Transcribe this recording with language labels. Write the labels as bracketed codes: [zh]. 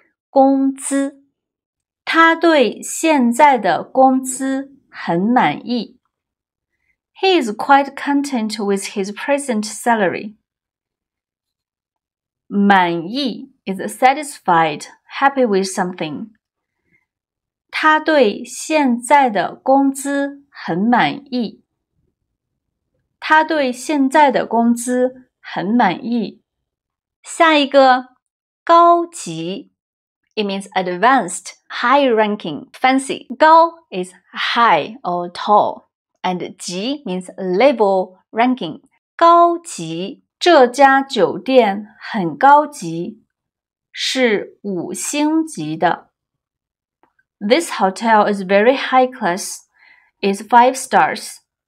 [zh] 工资，他对现在的工资很满意。 [en] He is quite content with his present salary. 满意 is satisfied, happy with something. [zh] 他对现在的工资很满意。他对现在的工资很满意。下一个，高级。 [en] It means advanced, high ranking, fancy. 高 is high or tall. And 级 means level ranking. [zh] 高级，这家酒店很高级，是五星级的。 [en] This hotel is very high class, is five stars.